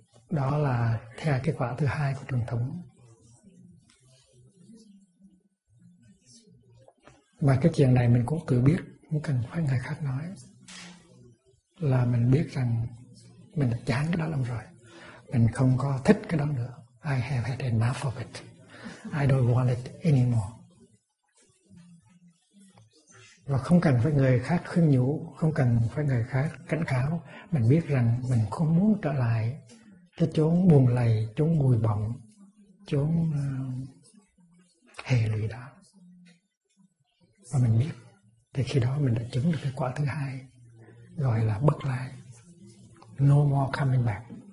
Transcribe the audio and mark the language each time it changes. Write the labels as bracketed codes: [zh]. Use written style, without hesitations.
[vi] Đó là theo cái quả thứ hai của truyền thống. Và cái chuyện này mình cũng tự biết, không cần phải người khác nói. Là mình biết rằng mình đã chán cái đó lắm rồi. Mình không có thích cái đó nữa. [en] I have had enough of it. I don't want it anymore. [vi] và không cần phải người khác khuyên nhủ, không cần phải người khác cảnh cáo, mình biết rằng mình không muốn trở lại cái chốn buồn lầy, chốn bụi bặm, chốn hệ lụy đó, và mình biết, thì khi đó mình đã chứng được cái quả thứ hai gọi là bất lai, [en] no more coming back.